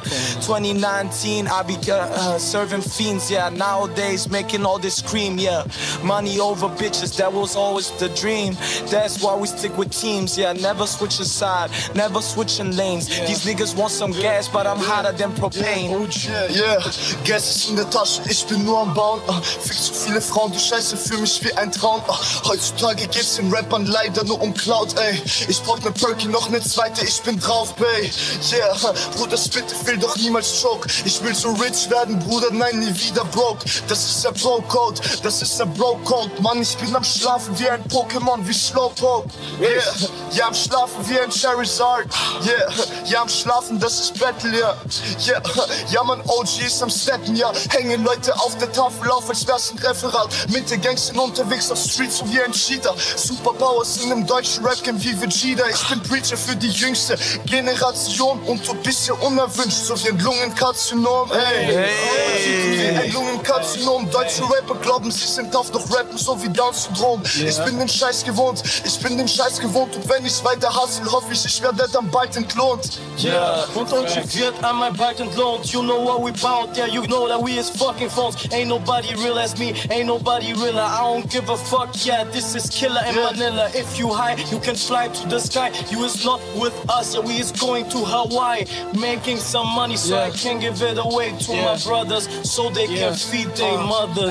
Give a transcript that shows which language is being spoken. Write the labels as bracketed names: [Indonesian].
[English] 2019, I be serving fiends, yeah. Nowadays, making all this cream, yeah. Money over bitches, that was always the dream. That's why we stick with teams, yeah. Never switch a side, never switching lanes. Yeah. These niggas want some gas, but I'm hotter than propane. Yeah. [German] Gas ist in der Tasche, ich bin nur am Bauen. Viel zu viele Frauen, du Scheiße, fühl mich wie ein Traum. Heutzutage geht's den Rappern leider nur um Cloud, ey. Ich brauch ne Perky, noch ne zweite, ich bin drauf, bay. Yeah, Bruder, spitte, will doch niemals choke. Ich will so rich werden, Bruder, nein, nie wieder broke. Das ist der Bro-Code, das ist der Bro-Code. Mann, ich bin am Schlafen wie ein Pokémon. Wie Slowpoke, yeah. Ja, am Schlafen wie ein Charizard, yeah. Ja, am Schlafen, das ist Battle, yeah. Yeah. Ja, mein OG ist am Steppen, ja. Hängen Leute auf der Tafel auf, als wär's ein Referat. Mit den Gangstern unterwegs auf Streets wie ein Cheater. Superpowers in einem deutschen Rap-Game wie Vegeta. Ich bin Preacher für die jüngste Generation und du bist hier unerwünscht, so wie ein Lungenkarzinom, ey. Hey. Ein Lungenkarzinom, deutsche Rapper glauben, sie sind auf, doch rappen so wie Down-Syndrom. Yeah. Ich bin den Scheiß gewohnt. Ich bin den Scheiß gewohnt und wenn ich weiter hustle, hoffe ich, ich werde dann bald entlohnt. Yeah, und uns wird einmal bald entlohnt. [English] You know what we about, yeah, you know that we is fucking phones. Ain't nobody real as me, ain't nobody realer. I don't give a fuck, yeah, this is killer in Manila. If you high, you can fly to the sky. You is not with us, yeah, we is going to Hawaii. Making some money so I can give it away to my brothers so they can feed their mothers.